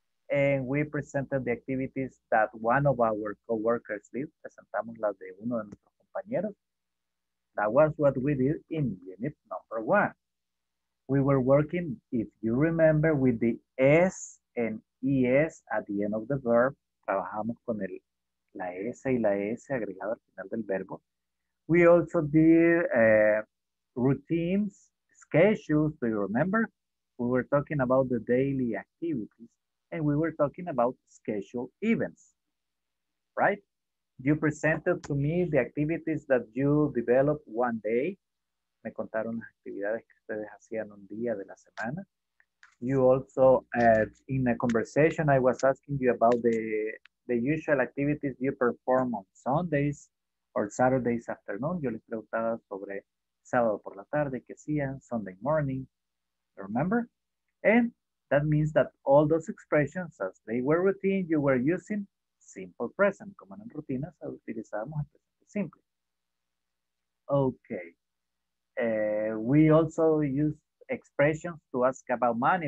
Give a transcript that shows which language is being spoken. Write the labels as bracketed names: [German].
[English] And we presented the activities that one of our co-workers did. [Spanish] Presentamos las de uno de nuestros compañeros. [English] That was what we did in unit number one. We were working, if you remember, with the S and ES at the end of the verb. [Spanish] Trabajamos con el la S y la S agregado al final del verbo. [English] We also did routines, schedules, do you remember? We were talking about the daily activities and we were talking about schedule events, right? You presented to me the activities that you developed one day. [Spanish] Me contaron las actividades que ustedes hacían un día de la semana. [English] You also, in a conversation, I was asking you about the usual activities you perform on Sundays or Saturdays afternoon. [Spanish] Yo les preguntaba sobre sábado por la tarde, que hacían, [English] Sunday morning, remember? And that means that all those expressions, as they were routine, you were using simple present. [Spanish] Como en rutinas, utilizábamos el presente simple. Okay. [English] We also use expressions to ask about money.